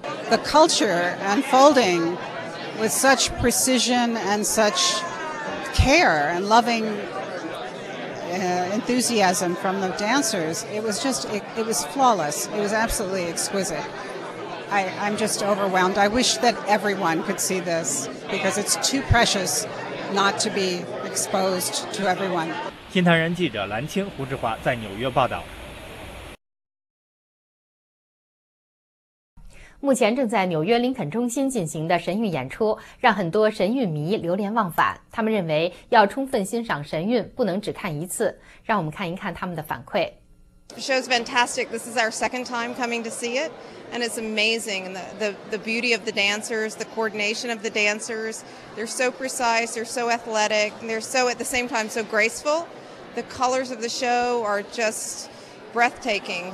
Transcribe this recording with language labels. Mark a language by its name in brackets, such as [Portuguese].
[English] The culture unfolding with such precision and such care and loving enthusiasm from the dancers, it was flawless. It was absolutely exquisite. I'm just overwhelmed. I wish that everyone could see this because it's too precious not to be exposed to everyone. [Chinese] 新唐人记者蓝青、胡志华在纽约报道。目前正在纽约林肯中心进行的神韵演出，让很多神韵迷流连忘返。他们认为要充分欣赏神韵，不能只看一次。让我们看一看他们的反馈。 [English] The show's fantastic. This is our second time coming to see it, and it's amazing. And the beauty of the dancers, the coordination of the dancers, they're so precise, they're so athletic, and they're so at the same time so graceful. The colors of the show are just breathtaking.